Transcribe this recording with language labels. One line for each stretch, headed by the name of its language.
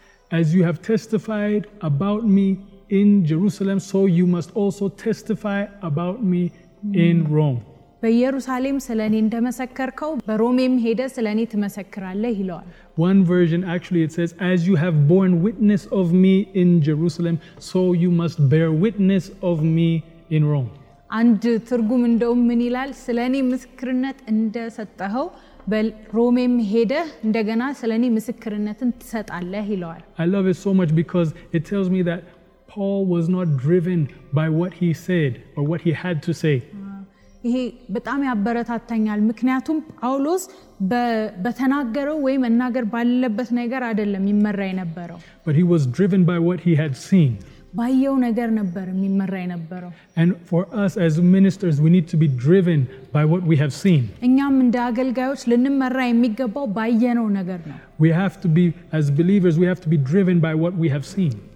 English: As you have testified about me in Jerusalem, so you must also testify about me in Rome.
Amharic: በኢየሩሳሌም ስለኔ እንደመሰከርከው በሮሜም ሄደ ስለኔ ተመሰክራለህ ይለዋል።
English: One version actually it says as you have borne witness of me in Jerusalem so you must bear witness of me in Rome.
Amharic: አንድ ትርጉም እንደውም ምን ይላል ስለኔ ምስክርነት እንደሰጠኸው በሮሜም ሄደ እንደገና ስለኔ ምስክርነትን ትሰጣለህ ይለዋል።
English: I love it so much because it tells me that Paul was not driven by what he said or what he had to say.
Amharic: ይሄ በጣም ያበረታታኛል ምክንያቱም ጳውሎስ በተናገረው ወይ መናገር ባለበት ነገር አይደለም ይመረይ ነበረው።
English: But he was driven by what he had seen.
Amharic: ባየው ነገር ነበር ይመረይ ነበረው።
English: And for us as ministers we need to be driven by what we have seen.
Amharic: እኛም እንደ አገልጋዮች ልንመረይ የሚገባው ባየነው ነገር ነው።
English: We have to be as believers we have to be driven by what we have seen.